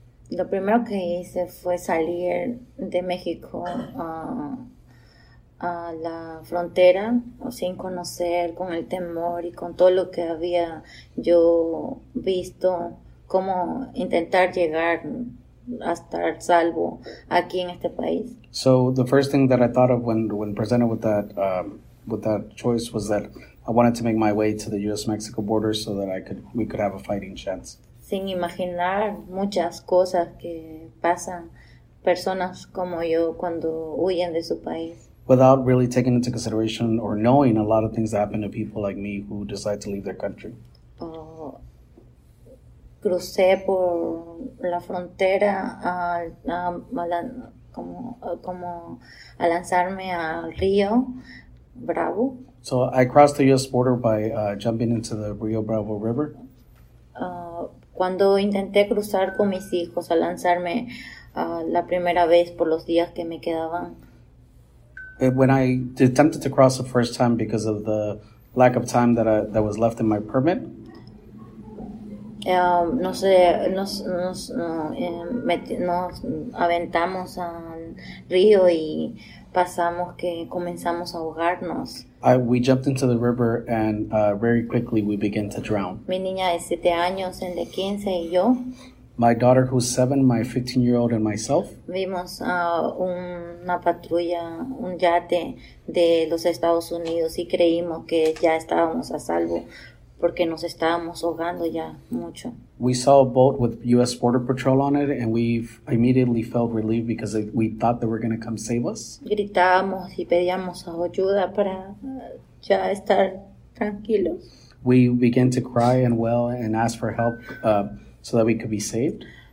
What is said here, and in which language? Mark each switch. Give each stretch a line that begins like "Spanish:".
Spanish: Lo primero que hice fue salir de México a la frontera sin conocer, con el temor y con todo lo que había yo visto, cómo intentar llegar a estar salvo aquí en este país.
English: So the first thing that I thought of when presented with that choice was that I wanted to make my way to the U.S.-Mexico border so that we could have a fighting chance.
Spanish: Sin imaginar muchas cosas que pasan personas como yo cuando huyen de su país.
English: Without really taking into consideration or knowing a lot of things that happen to people like me who decide to leave their country.
Spanish: Crucé por la frontera a lanzarme al río Bravo.
English: So I crossed the U.S. border by jumping into the Rio Bravo River.
Spanish: Cuando intenté cruzar con mis hijos a lanzarme la primera vez por los días que me quedaban.
English: When I attempted to cross the first time because of the lack of time that was left in my permit.
Spanish: Nos aventamos al río y pasamos que comenzamos a ahogarnos.
English: We jumped into the river and very quickly we began to drown.
Spanish: Mi niña de 7 años, el de 15 y yo.
English: My daughter who's 7, my 15-year-old and myself.
Spanish: Vimos una patrulla, un yate de los Estados Unidos y creímos que ya estábamos a salvo porque nos estábamos ahogando ya mucho.
English: We saw a boat with U.S. Border Patrol on it and we immediately felt relieved because we thought they were going to come save us.
Spanish: Gritábamos y pedíamos ayuda para ya estar tranquilos.
English: We began to cry and wail and ask for help so that we could be saved.